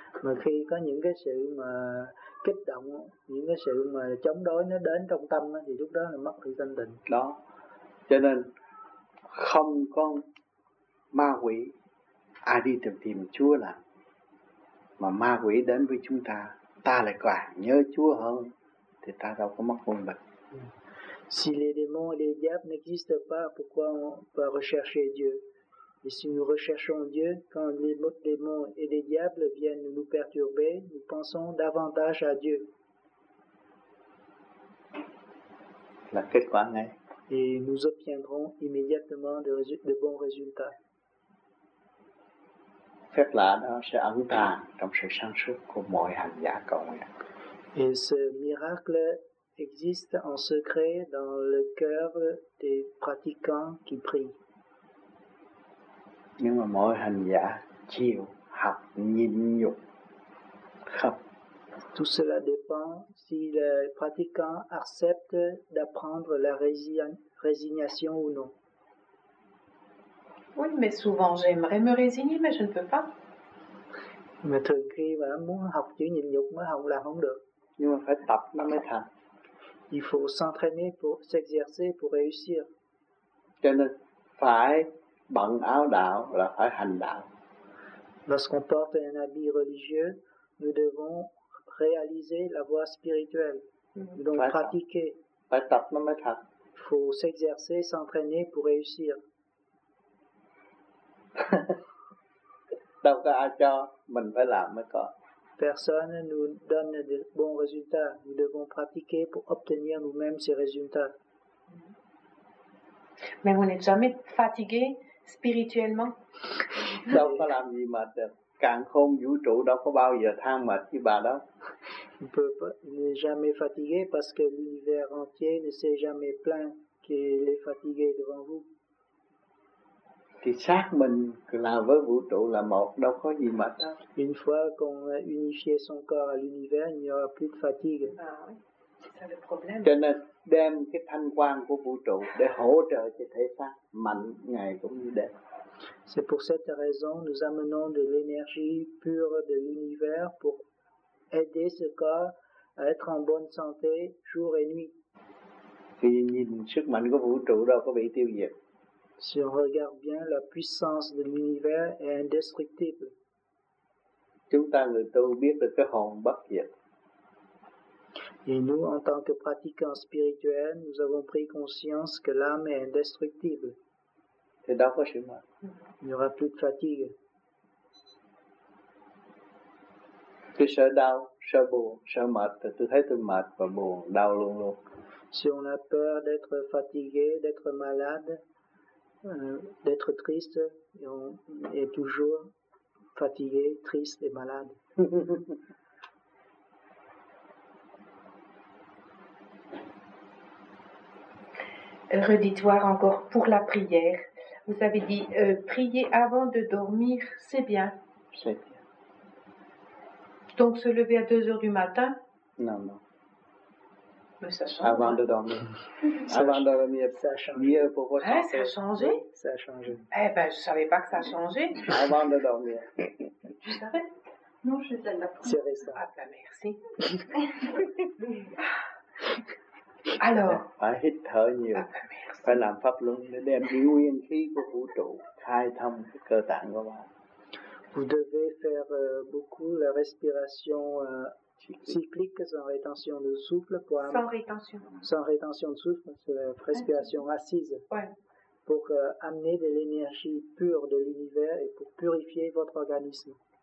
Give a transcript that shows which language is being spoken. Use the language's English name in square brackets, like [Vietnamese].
[Vietnamese] Mà khi có những cái sự mà kích động, những cái sự mà chống đối nó đến trong tâm thì lúc đó là mất sự thanh tịnh. Đó. Cho nên không có ma quỷ ai đi tìm Chúa là mà ma quỷ đến với chúng ta, ta lại càng nhớ Chúa hơn thì ta đâu có mắc quân bệnh. [French] Si les démons et les diables n'existent pas, pourquoi on va rechercher Dieu? Et si nous recherchons Dieu, quand les démons et les diables viennent nous perturber, nous pensons davantage à Dieu. [Vietnamese] La kết quả ngay. [French] Et nous obtiendrons immédiatement de bons résultats. [Vietnamese] Phép lạ đó sẽ ẩn tàng trong sự sáng suốt của mọi hành giả cầu nguyện. [French] Et ce miracle existe en secret dans le cœur des pratiquants qui prient. [Vietnamese] Nhưng mà mọi hành giả chịu học nhịn nhục. [French] Tout cela dépend si le pratiquant accepte d'apprendre la résignation ou non. Oui, mais souvent j'aimerais me résigner, mais je ne peux pas. [Vietnamese] Mais thường khi mà muốn học chữ nhịn nhục mới không là không được. Nhưng mà phải tập nó mới thành. [French] Il faut s'entraîner pour s'exercer pour réussir. [Vietnamese] Cho nên phải bận áo đạo là phải hành đạo. [French] Lorsqu'on porte un habit religieux, nous devons réaliser la voie spirituelle, donc [Vietnamese] phải [French] pratiquer. [Vietnamese] Phải tập nó mới thật. [French] Il faut s'exercer, s'entraîner pour réussir. [Vietnamese] Đâu có ai cho mình phải làm mới có. [French] personne nous donne de bons résultats. Nous devons pratiquer pour obtenir nous-mêmes ces résultats. Mais vous n'êtes jamais fatigué spirituellement? Il n'est jamais fatigué parce que l'univers entier ne s'est jamais plaint qu'il est fatigué devant vous. Thì xác mình là với vũ trụ là một, đâu có gì mệt đâu. Une fois qu'on a unifié son corps à l'univers, il n'y aura plus de fatigue. Ah, c'est ça le problème. Cho nên đem cái thanh quang của vũ trụ để hỗ trợ cho thể xác mạnh ngày cũng như đêm. C'est pour cette raison nous amenons de l'énergie pure de l'univers pour aider ce corps à être en bonne santé jour et nuit. Thì nhìn sức mạnh của vũ trụ đâu có bị tiêu diệt. Si on regarde bien, la puissance de l'univers est indestructible. Chúng ta người tu biết được cái hồn bất diệt. Et nous, en tant que pratiquants spirituels, nous avons pris conscience que l'âme est indestructible. Et dans quoi chez moi? Il n'y aura plus de fatigue. Tu sợ đau, sợ buồn, sợ mệt, tu thấy tu mệt và buồn, đau luôn luôn. Si on a peur d'être fatigué, d'être malade, d'être triste et on est toujours fatigué, triste et malade. Redis-toi encore pour la prière. Vous avez dit prier avant de dormir, c'est bien. C'est bien. Donc se lever à 2h du matin? Non, non. Mais ça avant de dormir. Ça avant de dormir, ça a changé. Mieux pour vous. Hein, ça a changé? Ça a changé. Eh ben, je ne savais pas que ça a changé. Avant de dormir. Tu savais? Non, je suis de la première. C'est récent. Ah ben, merci. Alors. [Vietnamese] Phải hít thở nhiều. [French] Ah ben, merci. [Vietnamese] Phải làm pháp luân để đem nguyên khí của vũ trụ khai thông cơ tạng của bạn. [French] Vous devez faire beaucoup la respiration. Cyclique sans rétention de souffle pour sans rétention de souffle, c'est la respiration assise, ouais. Pour amener de l'énergie pure de l'univers et pour purifier votre organisme.